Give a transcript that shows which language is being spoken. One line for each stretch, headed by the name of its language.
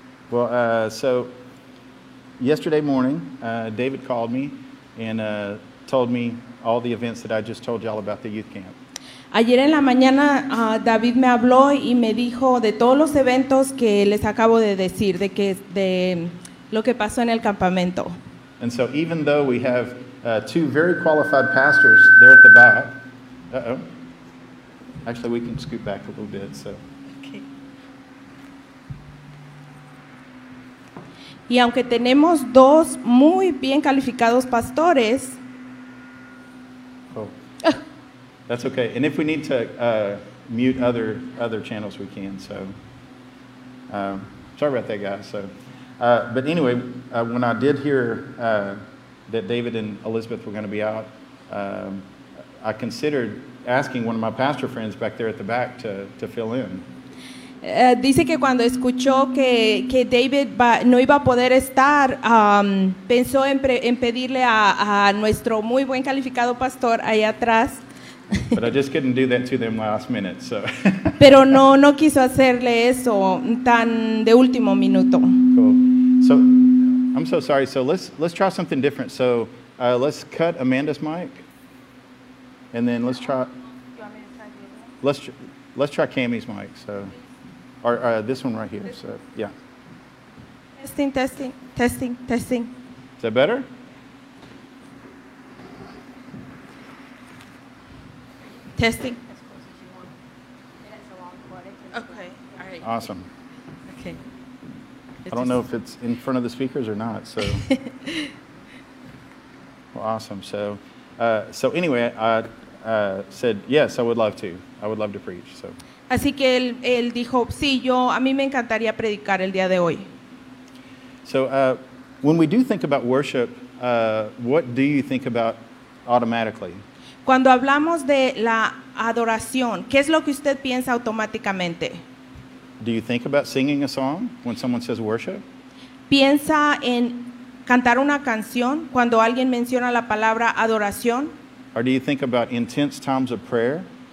English: Well, so yesterday morning, David called me and told me all the events that I just told y'all about the youth camp.
Spanish: Ayer en la mañana, David me habló y me dijo de todos los eventos que les acabo de decir, de lo que pasó en el campamento.
English: And so even though we have two very qualified pastors there at the back, actually we can scoot back a little bit, so.
Spanish: Y aunque tenemos dos muy bien calificados pastores.
English: Oh. That's okay. And if we need to mute other channels, we can. So, sorry about that, guys. So, but anyway, when I did hear that David and Elizabeth were going to be out, I considered asking one of my pastor friends back there at the back to fill in.
Spanish: Dice que cuando escuchó que David no iba a poder estar, pensó en pedirle a nuestro muy buen calificado pastor ahí atrás.
English: But I just couldn't do that to them last minute, so.
Spanish: Pero no quiso hacerle eso tan de último minuto.
English: Cool. So, I'm so sorry. So let's try something different. So let's cut Amanda's mic, and then let's try Cammy's mic. So. Or this one right here, so, yeah. Testing. Is that better? Testing. Okay, all right. Awesome. Okay. I don't know if it's in front of the speakers or not, so. Well, awesome. So, so anyway, I said, yes, I would love to preach, so.
Spanish: Así que él dijo, sí, a mí me encantaría predicar el día de hoy.
English: So, when we do think about worship, what do you think about automatically?
Spanish: Cuando hablamos de la adoración, ¿qué es lo que usted piensa automáticamente?
English: Do you think about singing a song when someone says worship?
Spanish: ¿Piensa en cantar una canción cuando alguien menciona la palabra adoración?
English: Or do you think about intense times of prayer?